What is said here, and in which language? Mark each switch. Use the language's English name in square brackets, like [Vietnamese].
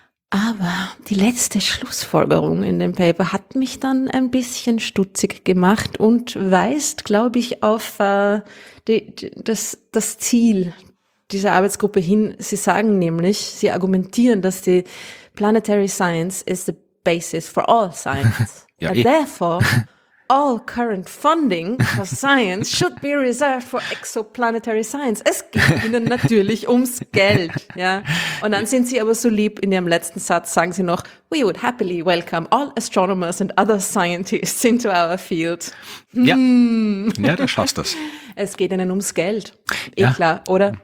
[German] Aber die letzte Schlussfolgerung in dem Paper hat mich dann ein bisschen stutzig gemacht und weist, glaube ich, auf das Ziel dieser Arbeitsgruppe hin. Sie sagen nämlich, sie argumentieren, dass die [English] Planetary Science is the basis for all science. [German] Ja, [English] and therefore, all current funding for science should be reserved for exoplanetary science. [German] Es geht ihnen natürlich ums Geld, ja. Und dann sind sie aber so lieb, in ihrem letzten Satz sagen sie noch, [English] we would happily welcome all astronomers and other scientists into our field. [German] Ja, ja, du schaffst das. Es geht ihnen ums Geld. Eh klar, oder?